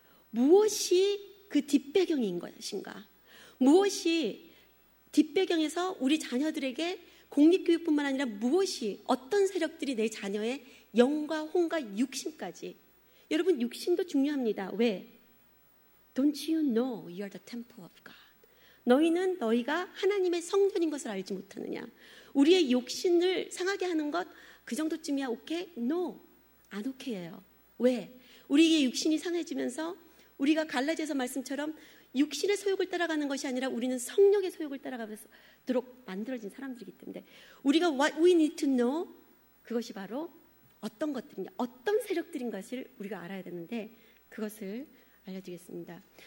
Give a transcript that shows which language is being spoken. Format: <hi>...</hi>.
<ko>무엇이 그 뒷배경인 것인가? 무엇이 뒷배경에서 우리 자녀들에게 공립교육뿐만 아니라 무엇이, 어떤 세력들이 내 자녀의 영과 혼과 육신까지. 여러분, 육신도 중요합니다. 왜?</ko> <en>Don't you know you are the temple of God?</en> <ko>너희는 너희가 하나님의 성전인 것을 알지 못하느냐? 우리의 욕심을 상하게 하는 것, 그 정도쯤이야 오케이? No, 안 오케이예요. 왜? 우리의 육신이 상해지면서 우리가 갈라디아서 말씀처럼 육신의 소욕을 따라가는 것이 아니라 우리는 성령의 소욕을 따라가도록 만들어진 사람들이기 때문에, 우리가</ko> <en>what we need to know,</en> <ko>그것이 바로 어떤 것들이냐, 어떤 세력들인 것을 우리가 알아야 되는데, 그것을 알려드리겠습니다.</ko>